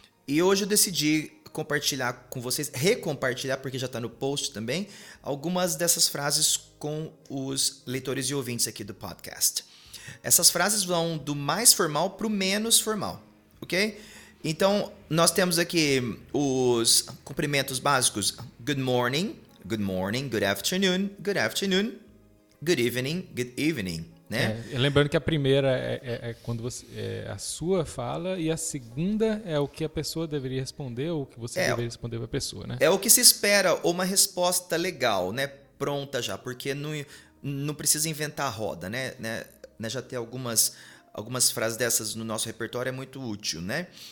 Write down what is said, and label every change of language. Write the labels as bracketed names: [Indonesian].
[Portuguese] E hoje eu decidi compartilhar com vocês, recompartilhar, porque já está no post também, algumas dessas frases com os leitores e ouvintes aqui do podcast. Essas frases vão do mais formal para o menos formal, ok? Então, nós temos aqui os cumprimentos básicos. [English] Good morning, good morning, good afternoon, good afternoon, good evening, né? [Portuguese] É, lembrando que a primeira é quando você é a sua fala e a segunda é o que a pessoa deveria responder ou o que você deveria responder para a pessoa, né? É o que se espera, uma resposta legal, né? Pronta já, porque não precisa inventar a roda, né? Já ter algumas frases dessas no nosso repertório é muito útil, né?